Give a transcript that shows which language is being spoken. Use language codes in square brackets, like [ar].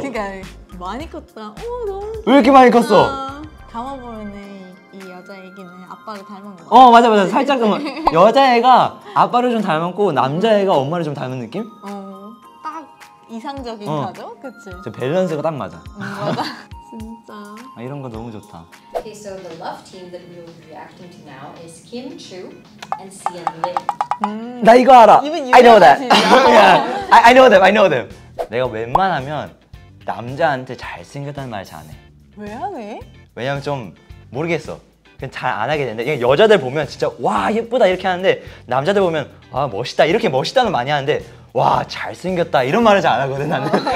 [ko] 그러니까 많이 컸다. 오, 너무. 왜 이렇게 귀엽다. 많이 컸어? 감아보면은 이 여자애기는 아빠를 닮은 거 같아. 어, 맞아 맞아. 살짝 그만. 여자애가 아빠를 좀 닮았고 남자애가 엄마를 좀 닮은 느낌? 어, 딱 이상적인 가족, 그치? 저 밸런스가 딱 맞아. 맞아. 진짜. 아, 이런 거 너무 좋다. [en] Okay, so the love team that we will be reacting to now is Kim Chu and Sian Lim. [ko] 나 이거 알아. [en] I know that. Yeah. I know them. I know them. [ko] 내가 웬만하면 남자한테 잘생겼다는 말 잘 안 해. 왜 안 해? 왜냐면 좀 모르겠어. 그냥 잘 안 하게 되는데 여자들 보면 진짜 와 예쁘다 이렇게 하는데 남자들 보면 아 멋있다 이렇게 멋있다는 많이 하는데 와 잘생겼다 이런 말을 잘 안 하거든 나는.